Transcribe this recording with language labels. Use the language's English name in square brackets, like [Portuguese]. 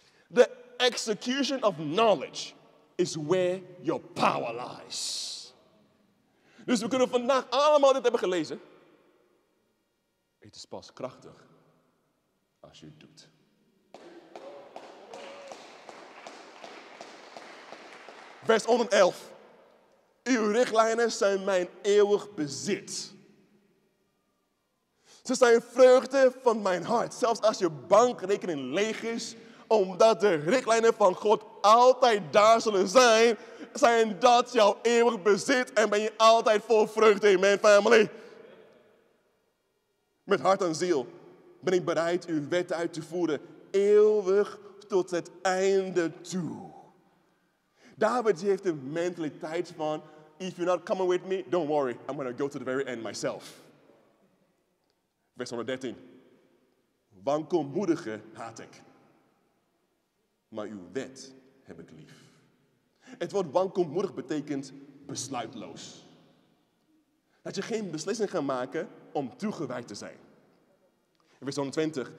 [English] The execution of knowledge is where your power lies. [Dutch] Dus we kunnen vandaag allemaal dit hebben gelezen. Het is pas krachtig als je het doet. Vers 111. Uw richtlijnen zijn mijn eeuwig bezit. Ze zijn vreugde van mijn hart. Zelfs als je bankrekening leeg is, omdat de richtlijnen van God altijd daar zullen zijn, zijn dat jouw eeuwig bezit en ben je altijd vol vreugde in mijn family. Met hart en ziel ben ik bereid uw wet uit te voeren, eeuwig tot het einde toe. David heeft de mentaliteit van, [English] if you're not coming with me, don't worry, I'm going to go to the very end myself. [Dutch] Vers 113. Wankelmoedige haat ik, maar uw wet heb ik lief. Het woord wankelmoedig betekent besluitloos. Dat je geen beslissing gaat maken om toegewijd te zijn. Vers 120.